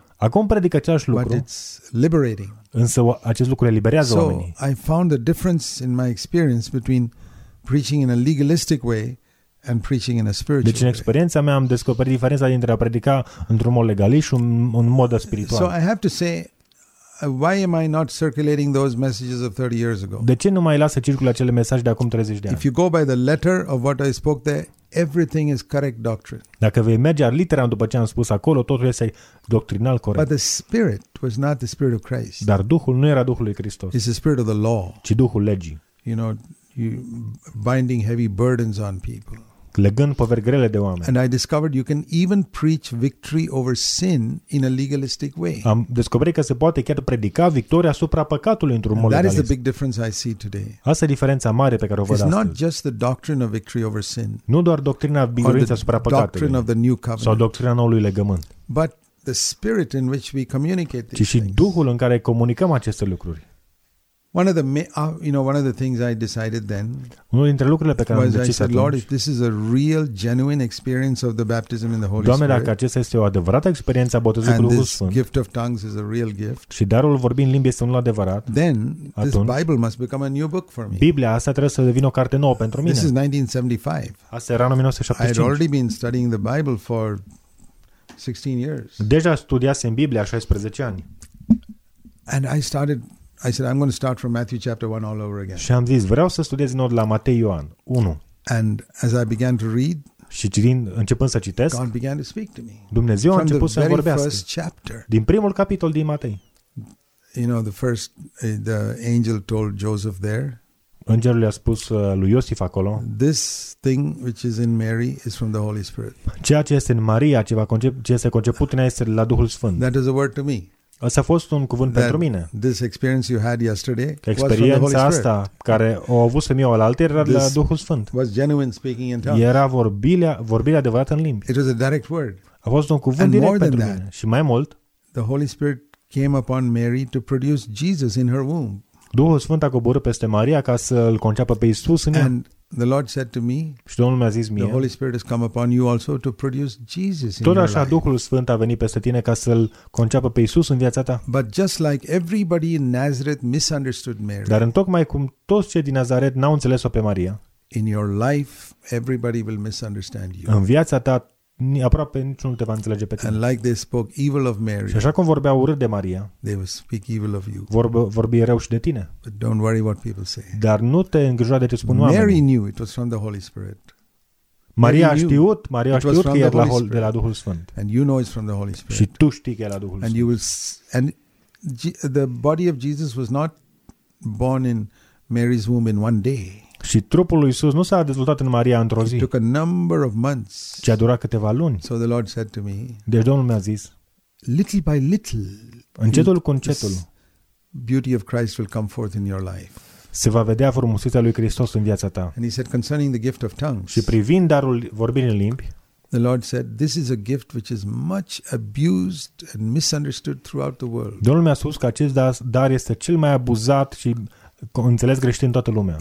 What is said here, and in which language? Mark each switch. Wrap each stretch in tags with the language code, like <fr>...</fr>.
<ro>Acum predic același lucru.</ro> <en>But it's liberating.</en> <ro>Însă acest lucru eliberează</ro> <en>so,</en> <ro>oamenii.</ro> <en>So I found a difference in my experience between preaching in a legalistic way and preaching in a spiritual way.</en> <ro>Deci în experiența mea am descoperit diferența dintre a predica într-un mod legalist și un mod spiritual.</ro> <en>So I have to say, why am I not circulating those messages of 30 years ago?</en> <ro>De ce nu mai las să circule acele mesaje de acum 30 de ani?</ro> <en>If you go by the letter of what I spoke there, everything is correct doctrine.</en> <ro>Dacă vei merge la litera după ce am spus acolo, totul este doctrinal corect.</ro> <en>But the spirit was not the spirit of Christ.</en> <ro>Dar Duhul nu era Duhul lui Hristos.</ro> <en>It's the spirit of the law.</en> <ro>Ci Duhul legii.</ro> <en>You know, you binding heavy burdens on people.</en> <ro>Legând poveri grele de oameni.</ro> <en>And I discovered you can even preach victory over sin in a legalistic way.</en> <ro>Am descoperit că se poate chiar predica victoria asupra păcatului într-un</ro> <en>and</en> <ro>mod legalist.</ro> <en>That is the big difference I see today.</en> <ro>Asta e diferența mare pe care o văd</ro> <en>it's</en> <ro>astăzi.</ro> <en>It's not just the doctrine of victory over sin.</en> <ro>Nu doar doctrina biruinței asupra păcatului.</ro> <en>Doctrine of the new covenant.</en> <ro>Sau doctrina noului legământ.</ro> <en>But the spirit in which we communicate these things.</en> <ro>Ci și duhul în care comunicăm aceste lucruri.</ro> <en>One of the things I decided then</en> <ro>unul dintre lucrurile pe care am decis</ro> <en>I said,</en> <ro>atunci,</ro> <en>Lord, if this is a real, genuine experience of the baptism in the Holy</en> <ro>Doamne,</ro> <en>Spirit,</en> <ro>Doamne, dacă acesta este o adevărată experiență a botezului cu Duhul Sfânt,</ro> <en>gift of tongues is a real gift,</en> <ro>și darul vorbind în limbi este unul adevărat,</ro> <en>then</en> <ro>atunci,</ro> <en>this Bible must become a new book for me.</en> <ro>Biblia asta trebuie să devină o carte nouă pentru mine.</ro> <en>This is 1975.</en> <ro>Asta era în 1975.</ro> <en>I had already been studying the Bible for 16 years.</en> <ro>Deja studiasem Biblia 16 ani.</ro> <en>And I said I'm going to start from Matthew chapter 1 all over again.</en> <ro>Și am zis, vreau să studiez din nou de la Matei Ioan 1.</ro> <en>And as I began to read,</en> <ro>și citind, începând să citesc,</ro> <en>God began to speak to me.</en> <ro>Dumnezeu a început să-mi vorbească.</ro> <en>First chapter.</en> <ro>Din primul capitol din Matei.</ro> <en>You know, the angel told Joseph there.</en> <ro>Îngerul i-a spus lui Iosif acolo.</ro> <en>This thing which is in Mary is from the Holy Spirit.</en> <ro>Ceea ce este în Maria, ce este conceput în ea este la Duhul Sfânt.</ro> <en>That is a word to me.</en> <ro>Asta a fost un cuvânt</ro> <en>that</en> <ro>pentru mine.</ro> <en>This experience you had yesterday,</en> <ro>experiența asta care o avut femeia o altă era</ro> <en>this</en> <ro>la Duhul Sfânt.</ro> <en>Was genuine speaking in tongues.</en> <ro>Era vorbirea adevărată în limbi.</ro> <en>It was a direct word.</en> <ro>A fost un cuvânt</ro> <en>and</en> <ro>direct pentru</ro> <en>that,</en> <ro>mine. Și mai mult,</ro> <en>the Holy Spirit came upon Mary to produce Jesus in her womb.</en> <ro>Duhul Sfânt a coborât peste Maria ca să îl conceapă pe Iisus în ea.</ro> <en>And the Lord said to me,</en> <ro>și Domnul mi-a zis mie,</ro> <en>the Holy Spirit has come upon you also to produce Jesus in your life.</en> <ro>Tot așa Duhul Sfânt a venit peste tine ca să-l conceapă pe Iisus în viața ta.</ro> <en>But just like everybody in Nazareth misunderstood Mary.</en> <ro>Dar întocmai cum toți cei din Nazaret n-au înțeles-o pe Maria.</ro> <en>In your life, everybody will misunderstand you.</en> <ro>În viața ta aproape niciunul te va înțelege pe tine.</ro> <en>And like they spoke evil of Mary.</en> <ro>Și așa cum vorbeau urât de Maria,</ro> <en>they will speak evil of you.</en> <ro>Vorbi rău și de tine.</ro> <en>But don't worry what people say.</en> <ro>Dar nu te îngrijora de ce spun oamenii.</ro> <en>Mary knew it was from the Holy Spirit.</en> <ro>Maria a știut că e de la Duhul Sfânt.</ro> <en>And you know it's from the Holy Spirit.</en> <ro>Și tu știi că e la Duhul Sfânt.</ro> <en>And you will and the body of Jesus was not born in Mary's womb in one day.</en> <ro>Și trupul lui Isus nu s-a dezvoltat în Maria într-o zi.</ro> <en>It took a number of months.</en> <ro>Ci a durat câteva luni.</ro> <en>So the Lord said to me.</en> <ro>Deci Domnul mi-a zis.</ro> <en>Little by little.</en> <ro>Încetul cu încetul.</ro> <en>Beauty of Christ will come forth in your life.</en> <ro>Se va vedea frumusețea lui Hristos în viața ta.</ro> <en>And he said concerning the gift of tongues.</en> <ro>Și privind darul vorbirii în limbi.</ro> <en>The Lord said, "This is a gift which is much abused and misunderstood throughout the world."</en> <ro>Domnul mi-a spus că acest dar este cel mai abuzat și înțeles greșit în toată lumea.</ro>